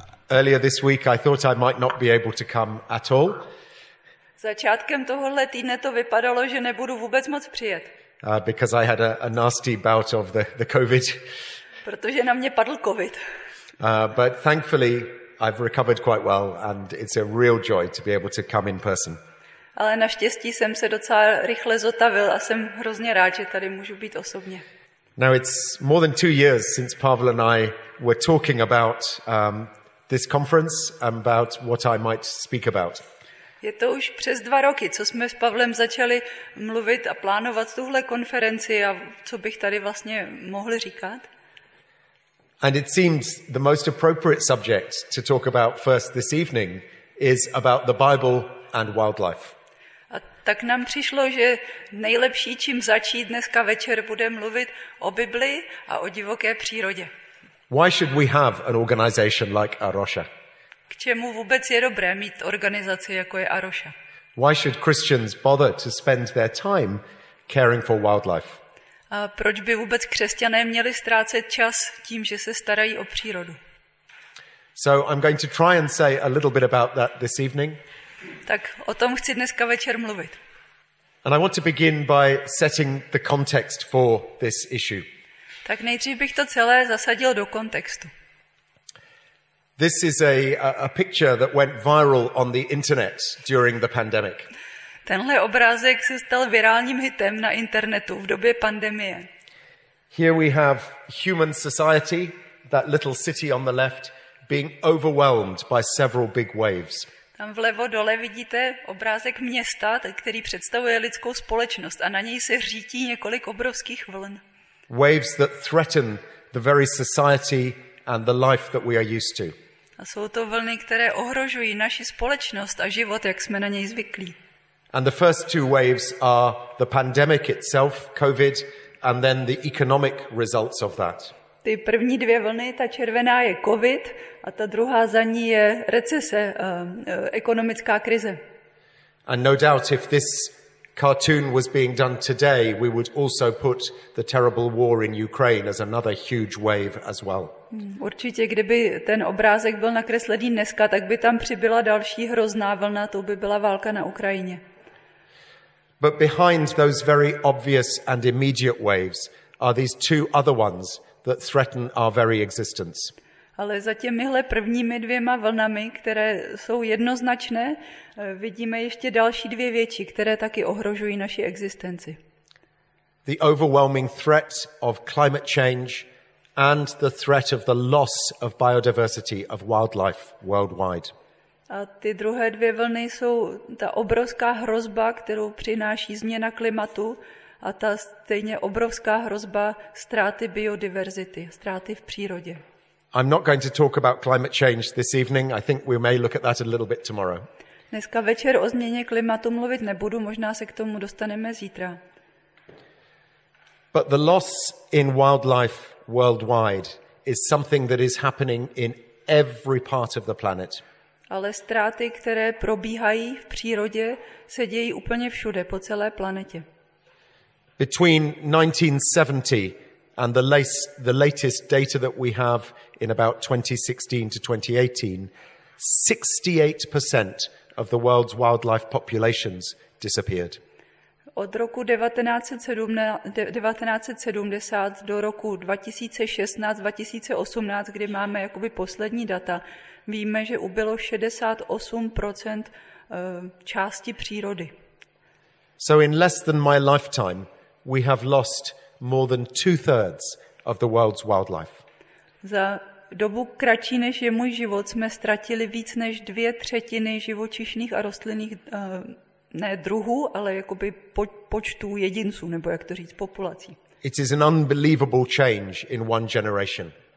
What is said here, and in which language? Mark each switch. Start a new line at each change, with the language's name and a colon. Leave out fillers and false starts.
English: Earlier this week I thought I might not be able to come at all.
Czech: Začátkem tohohle týdne to vypadalo, že nebudu vůbec moc přijet.
English: Because I had a nasty bout of the COVID.
Czech: Protože na mě padl covid.
English: But thankfully I've recovered quite well and it's a real joy to be able to come in person.
Czech: Ale naštěstí jsem se docela rychle zotavil a jsem hrozně rád, že tady můžu být osobně.
English: Now it's more than 2 years since Pavel and I were talking about this conference and about what I might speak about.
Czech: Je to už přes 2 roky, co jsme s Pavlem začali mluvit a plánovat tuhle konferenci a co bych tady vlastně mohl říkat.
English: And it seems the most appropriate subject to talk about first this evening is about the Bible and wildlife.
Czech: A tak nám přišlo, že nejlepší, čím začít dneska večer, bude mluvit o Bibli a o divoké přírodě.
English: Why should we have an organization like Arosha?
Czech: K čemu vůbec je dobré mít organizaci jako je Arosha?
English: Why should Christians bother to spend their time caring for wildlife?
Czech: A proč by vůbec křesťané měli ztrácet čas tím, že se starají o přírodu?
English: So I'm going to try and say a little bit about that this evening.
Czech: Tak o tom chci dneska večer mluvit.
English: And I want to begin by setting the context for this issue.
Czech: Tak nejdřív bych to celé zasadil do kontextu.
English: This is a picture that went viral on the internet during the pandemic.
Czech: Tenhle obrázek se stal virálním hitem na internetu v době pandemie.
English: Here we have human society, that little city on the left, being overwhelmed by several big waves.
Czech: Tam vlevo dole vidíte obrázek města, který představuje lidskou společnost a na něj se řítí několik obrovských vln.
English: Waves that threaten the very society and the life that we are used to.
Czech: A jsou to vlny, které ohrožují naši společnost a život, jak jsme na něj zvyklí.
English: And the first two waves are the pandemic itself, COVID, and then the economic results of that.
Czech: Ty první dvě vlny, ta červená je COVID a ta druhá za ní je recese, ekonomická krize.
English: And no doubt if this cartoon was being done today, we would also put the terrible war in Ukraine as another huge wave as well.
Czech: Určitě, kdyby ten obrázek byl nakreslený dneska, tak by tam přibyla další hrozná vlna, to by byla válka na Ukrajině.
English: But behind those very obvious and immediate waves are these two other ones that threaten our very existence.
Czech: Ale za těmihle prvními dvěma vlnami, které jsou jednoznačné, vidíme ještě další dvě větší, které taky ohrožují naši existenci.
English: The overwhelming threat of climate change and the threat of the loss of biodiversity of wildlife worldwide.
Czech: A ty druhé dvě vlny jsou ta obrovská hrozba, kterou přináší změna klimatu a ta stejně obrovská hrozba ztráty biodiverzity, ztráty v přírodě.
English: I'm not going to talk about climate change this evening. I think we may look at that a little bit tomorrow.
Czech: Dneska večer o změně klimatu mluvit nebudu, možná se k tomu dostaneme zítra.
English: But the loss in wildlife worldwide is something that is happening in every part of the planet.
Czech: Ale ztráty, které probíhají v přírodě, se dějí úplně všude, po celé planetě.
English: Between 1970 and the latest data that we have in about 2016 to 2018, 68% of the world's wildlife populations disappeared.
Czech: Od roku 1970 do roku 2016-2018, kdy máme jakoby poslední data, víme, že ubylo 68% části přírody.
English: So in less than my lifetime, we have lost more than 2/3 of the world's wildlife.
Czech: Za dobu kratší než je můj život jsme ztratili víc než 2/3 živočišných a rostlinných ne druhů, ale jakoby počtu jedinců nebo jak to říct populací.
English: It is an unbelievable change in one generation.